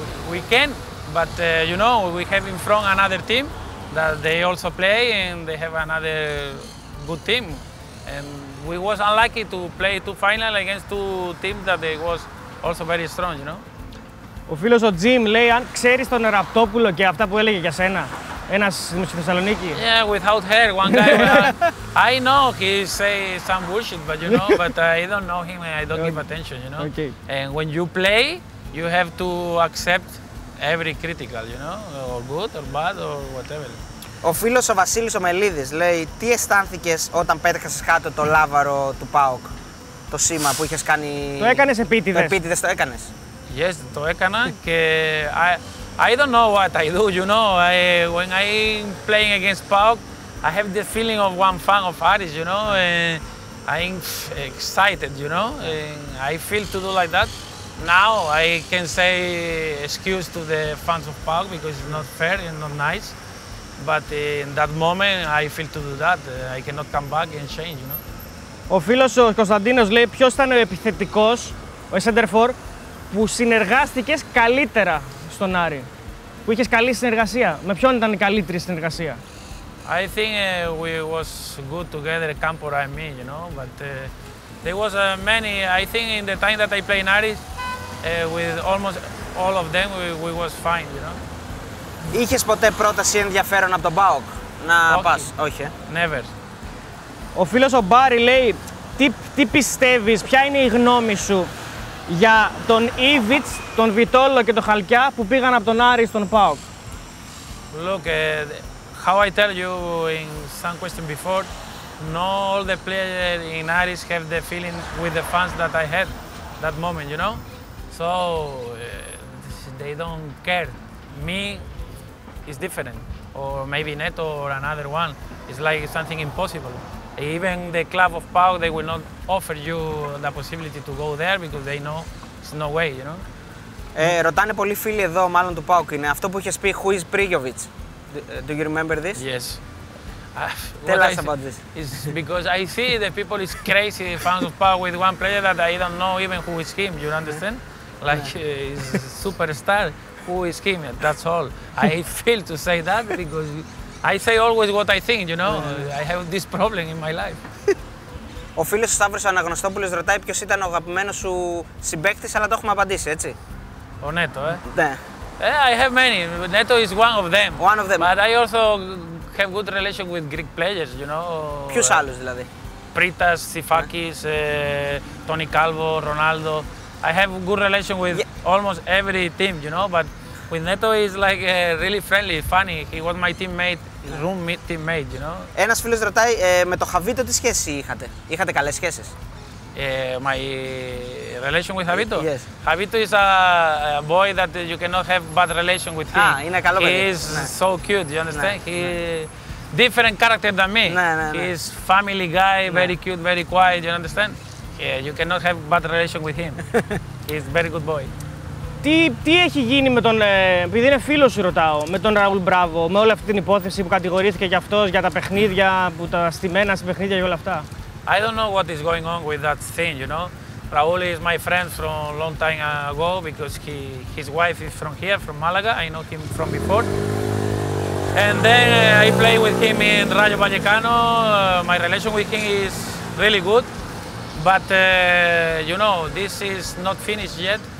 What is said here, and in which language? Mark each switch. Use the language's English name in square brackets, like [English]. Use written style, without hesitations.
[English] We can, but you know, we have in front another team that they also play and they have another good team. And we was unlucky to play two finals against two teams that they was also very strong, you know. [Greek] Ο φίλος ο Τζιμ λέει, αν ξέρεις τον Ραπτόπουλο και αυτά που έλεγε για σένα, ένας στη Θεσσαλονίκη. [English] Yeah, without hair, one guy. I know he say some bullshit, but you know, but I don't know him and I don't give attention, you know. Okay. And when you play, you have to accept every critical, you know, or good or bad or whatever. [Greek] Ο φίλος ο Βασίλης ο Μελίδης λέει, τι αισθάνθηκες όταν πέτυχες κάτω το λάβαρο του ΠΑΟΚ, το σήμα που είχες κάνει... Το έκανες επίτηδες. Επίτηδες το έκανες. [English] Yes, [Greek] το έκανα και [English] I don't know what I do, you know. When I'm playing against ΠΑΟΚ, I have the feeling of one fan of Aris, you know. I'm excited, you know. I feel to do like that. Now I can say excuse to the fans of ΠΑΟΚ because it's not fair and not nice. But in that moment I feel to do that. I cannot come back and change, you know. [Greek] Ο φίλος ο Κωνσταντίνος λέει, ποιος ήταν ο επιθετικός, ο center for, που συνεργάστηκες καλύτερα στον Άρη, που είχες καλή συνεργασία. Με ποιον ήταν η καλύτερη συνεργασία? [English] I think we was good together, Campora and me, you know, but there was many. I think in the time that I played in Aris, with almost all of them, we was fine, you know. [Greek] Είχες ποτέ πρόταση ενδιαφέρον από τον ΠΑΟΚ να πας? Όχι. Never. Ο φίλος ο Μπάρι λέει, τι πιστεύεις, ποια είναι η γνώμη σου για τον Ίβιτς, τον Βιτόλο και τον Χαλκιά που πήγαν από τον Άρη στον ΠΑΟΚ? [English] Look, how I tell you in some question before, not all the players in Aris have the feeling with the fans that I had that moment, you know? So they don't care. Me is different, or maybe Neto or another one. It's like something impossible. Even the club of ΠΑΟΚ, they will not offer you the possibility to go there because they know it's no way, you know. [Greek] Ρωτάνε πολλοί φίλοι εδώ, μάλλον του ΠΑΟΚ, είναι αυτό που είχες πει, [English] who is [Greek] Πρίγιοβιτς? [English] Do you remember this? Yes. Tell us about this. It's because I see the people is crazy, fans of ΠΑΟΚ, with one player that I don't know even who is him, you understand? Like, he's a superstar, who is him? That's all. I feel to say that because I say always what I think, you know. I have this problem in my life. [Greek] Ο φίλος ο Σταύρος Αναγνωστόπουλος ρωτάει ποιος ήταν ο αγαπημένος σου συμπαίκτης, αλλά το έχουμε απαντήσει, έτσι. Ο Νέτο, ε. Ναι. [English] I have many. Νέτο is one of them. One of them. But I also have good relation with Greek players, you know. [Greek] Ποιους άλλους δηλαδή? Πρίτας, Σιφάκης, Τόνι Κάλβο, Ρονάλντο. [English] I have good relation with almost every team, you know, but with Neto is like really friendly, funny. He was my teammate, room teammate, you know. [Greek] Ένας φίλος ρωτάει, με το Χαβίτο τι σχέση είχατε? Είχατε καλές σχέσεις? [English] My relation with Χαβίτο? Yes. Χαβίτο is a boy that you cannot have bad relation with him. [Greek] Ah, είναι καλό παιδί. [English] He is so cute, you understand? He different character than me. [Greek] Ναι. [English] He is family guy, very cute, very quiet, you understand? Yeah, you cannot have bad relation with him. He's very good boy. [Greek] Τι έχει γίνει με τον, επειδή είναι φίλος σου ρωτάω, με τον Ραούλ Μπράβο, με όλη αυτή την υπόθεση που κατηγορήθηκε για αυτός, για τα παιχνίδια, που τα στημένα σε παιχνίδια και όλα αυτά. [English] I don't know what is going on with that thing, you know. Raul is my friend from a long time ago because his wife is from here, from Malaga. I know him from before. And then I play with him in Rayo Vallecano. My relation with him is really good. But, you know, this is not finished yet.